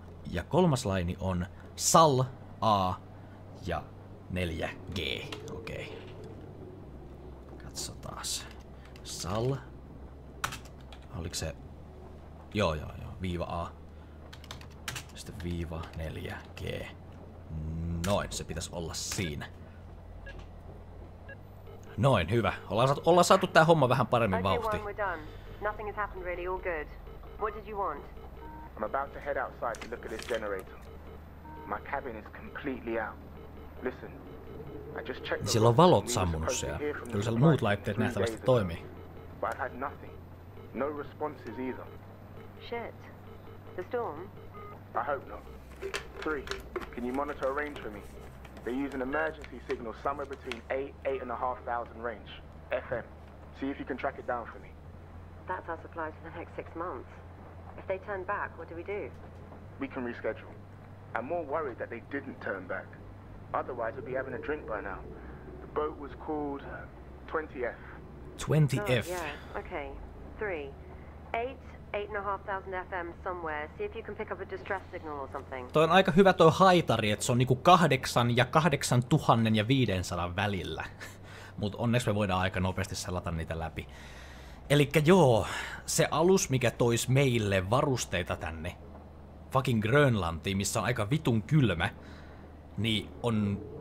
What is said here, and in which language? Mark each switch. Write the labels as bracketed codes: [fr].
[fi] Ja kolmas laini on Sal, A ja 4, G. Okei. Katsotaas. Sal. Oliko se... Joo. Viiva A. Sitten viiva 4, G. Noin, se pitäisi olla siinä. Noin, hyvä. Ollaan saatu tää homma vähän paremmin vauhtiin. [en] Okay, one, nothing has happened really, all good. What did you want? I'm about to head outside to look at this generator. My cabin is completely out. Listen, I just checked. [fi] Siellä on valot sammunut siellä. Kyllä siellä muut laitteet nähtävästi toimii. [en] But I've had nothing. No responses either. Shit. The storm? I hope not. Three, can you monitor a range for me? They use an emergency signal somewhere between 8,500 range, FM. See if you can track it down for me. That's our supply for the next 6 months. If they turn back, what do we do? We can reschedule. I'm more worried that they didn't turn back. Otherwise, we'd be having a drink by now. The boat was called 20F. 20F. Oh, yeah, okay. 8,500 FM somewhere. See if you can pick up a distress signal or something. [fi] Toi on aika hyvä toi haitari, että se on niinku 8 ja 8500 välillä. Mut onneksi me voidaan aika nopeasti selata niitä läpi. Elikkä joo, se alus, mikä tois meille varusteita tänne fucking Grönlantiin, missä on aika vitun kylmä, niin on...